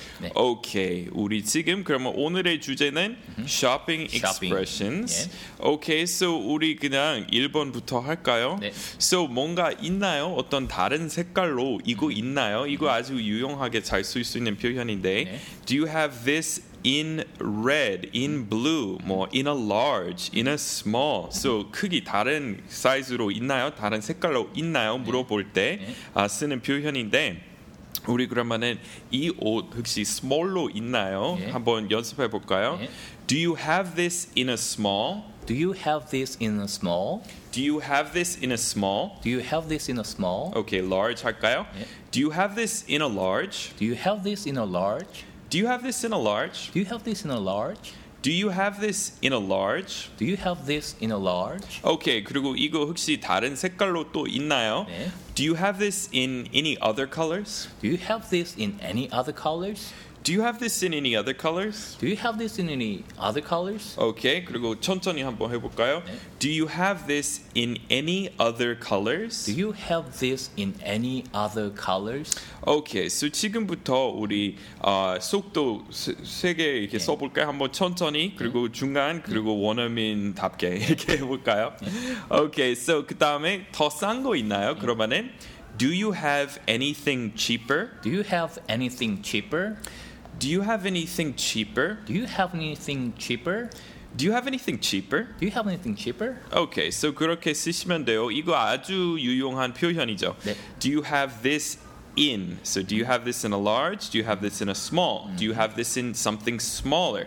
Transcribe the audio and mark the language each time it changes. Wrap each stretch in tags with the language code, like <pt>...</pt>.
<ko>네. 오케이 우리 지금 그러면 오늘의 주제는</ko> <en>shopping expressions.</en> <ko>예. 오케이 so 우리 그냥 1번부터 할까요? 네. so 뭔가 있나요? 어떤 다른 색깔로 이거 있나요? 이거 아주 유용하게 잘 쓸 수 있는 표현인데 네.</ko> <en>do you have this in red, in blue,</en> <ko>뭐</ko> <en>in a large, in a small.</en> <ko>so 크기 다른 사이즈로 있나요? 다른 색깔로 있나요? 물어볼 때 네. 네. 쓰는 표현인데 우리 그러면은 이 옷 혹시 small로 있나요? 예. 한번 연습해 볼까요? 예.</ko> <en>Do you have this in a small? Do you have this in a small? Do you have this in a small? Do you have this in a small? Okay, large</en> <ko>할까요? 예.</ko> <en>Do you have this in a large? Do you have this in a large? Do you have this in a large? Do you have this in a large? Do you have this in a large? Do you have this in a large?</en> <ko>Okay, 그리고 이거 혹시 다른 색깔로 또 있나요? 네.</ko> <en>Do you have this in any other colors? Do you have this in any other colors? Do you have this in any other colors? Do you have this in any other colors?</en> <ko>Okay, 그리고 천천히 한번 해볼까요? 네.</ko> <en>Do you have this in any other colors? Do you have this in any other colors?</en> <ko>Okay, so 지금부터 우리 속도 세 개 이렇게 네. 써볼까요? 한번 천천히 그리고 네. 중간 그리고 네. 원어민답게 이렇게 해볼까요? 네. Okay, so 그다음에 더 싼 거 있나요? 네. 그러면은</ko> <en>Do you have anything cheaper? Do you have anything cheaper? Do you have anything cheaper? Do you have anything cheaper? Do you have anything cheaper? Do you have anything cheaper?</en> <ko>Okay, so 그렇게 쓰시면 돼요. 이거 아주 유용한 표현이죠. 네.</ko> <en>Do you have this in? So do you have this in a large? Do you have this in a small? Mm-hmm. Do you have this in something smaller?</en>